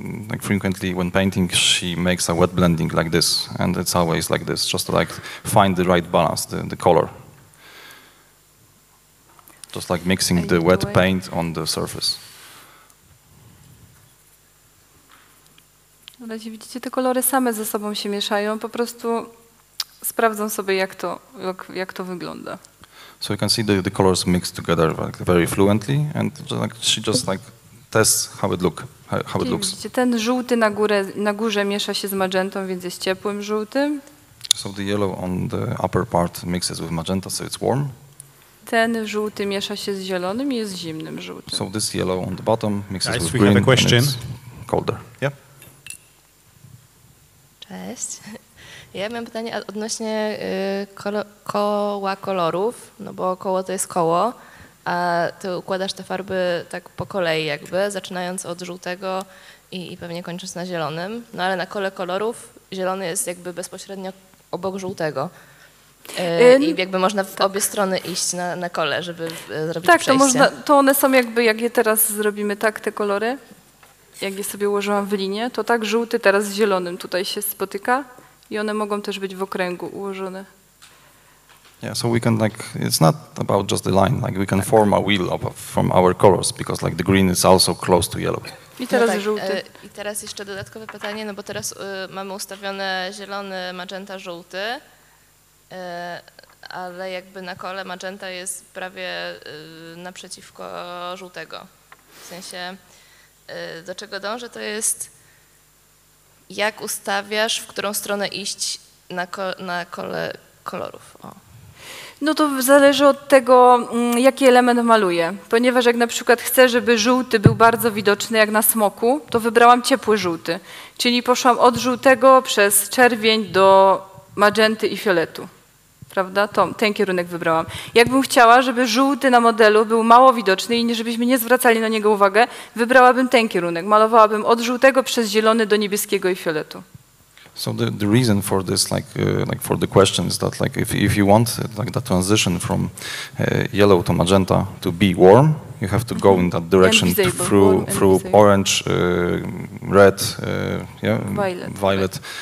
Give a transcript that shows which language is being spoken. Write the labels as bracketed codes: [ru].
[en] like frequently when painting, she makes a wet blending like this, and it's always like this, just to like find the right balance, the color. Just like mixing the wet paint on the surface. [pl] Ale widzicie, te kolory same ze sobą się mieszają, po prostu sprawdzą sobie, jak to wygląda. [en] So you can see the colors mixed together like very fluently, and just like she just like tests how it look how it looks. [pl] Widzicie, ten żółty na górze miesza się z magentą, więc jest ciepłym żółtym. [en] So the yellow on the upper part mixes with magenta, so it's warm. [pl] Ten żółty miesza się z zielonym i jest zimnym żółtym. [en] So this yellow on the bottom mixes guys, with green, we have a question. And it's colder. Yeah. [pl] Cześć. Ja mam pytanie odnośnie koła kolorów, no bo koło to jest koło, a ty układasz te farby tak po kolei jakby, zaczynając od żółtego i pewnie kończąc na zielonym, no ale na kole kolorów zielony jest jakby bezpośrednio obok żółtego. I jakby można w obie strony iść na kole, żeby zrobić tak, przejście. Tak, to one są jakby, jak je teraz zrobimy tak, te kolory, jak je sobie ułożyłam w linię, to tak żółty teraz z zielonym tutaj się spotyka. I one mogą też być w okręgu ułożone. [en] Yeah, so we can like, it's not about just the line, like we can form a wheel from our colors, because like the green is also close to yellow. [pl] I teraz no tak, żółty. I teraz jeszcze dodatkowe pytanie, no bo teraz mamy ustawione zielony, magenta, żółty, ale jakby na kole magenta jest prawie naprzeciwko żółtego. W sensie, do czego dążę, to jest jak ustawiasz, w którą stronę iść na kole kolorów? O. No to zależy od tego, jaki element maluję. Ponieważ jak na przykład chcę, żeby żółty był bardzo widoczny jak na smoku, to wybrałam ciepły żółty. Czyli poszłam od żółtego przez czerwień do magenty i fioletu. Prawda? Ten kierunek wybrałam. Jakbym chciała, żeby żółty na modelu był mało widoczny i żebyśmy nie zwracali na niego uwagę, wybrałabym ten kierunek. Malowałabym od żółtego przez zielony do niebieskiego i fioletu. [en] So the reason for this, like for the question is that like if you want like the transition from yellow to magenta to be warm, you have to go in that direction through orange, red, violet.